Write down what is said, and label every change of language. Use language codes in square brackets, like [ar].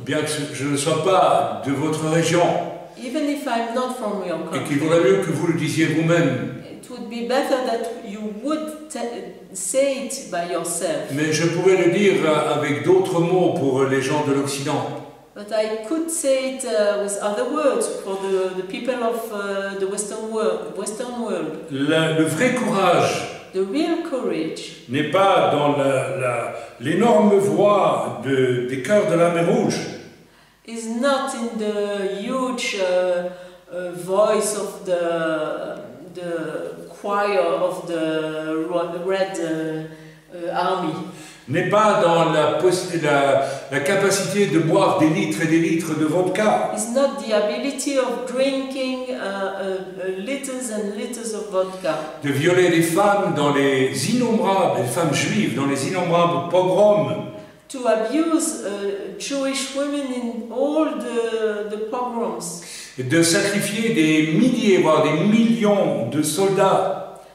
[fr] Bien que je ne sois pas de votre région. [en] Even if I'm not from your country. [fr] Et qu'il vaudrait mieux que vous le disiez vous-même. [en] It would be better that you would say it by yourself. [fr] Mais je pourrais le dire avec d'autres mots pour les gens de l'Occident. [en] But I could say it with other words for the people of the Western world. [fr] Le vrai courage. [en] The real courage. [fr] N'est pas dans l'énorme voix des cœurs de la mer Rouge. [en] Is not in the huge voice of the choir of the Red Army. [fr] N'est pas dans la capacité de boire des litres et des litres de vodka. [en] It's not the ability of drinking liters and liters of vodka. [fr] De violer les femmes dans les innombrables, les femmes juives dans les innombrables pogroms. [en] To abuse Jewish women in all the pogroms. [fr] De sacrifier des milliers, voire des millions de soldats.